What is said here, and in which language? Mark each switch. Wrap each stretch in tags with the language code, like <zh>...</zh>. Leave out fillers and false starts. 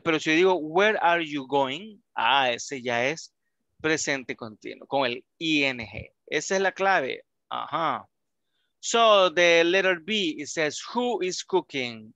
<es>Pero si yo digo,</es> <en>where are you going?</en> <es>Ah, ese ya es presente continuo, con el ing. Esa es la clave. Ajá.</es> <en>So, the letter B, it says, who is cooking?</en>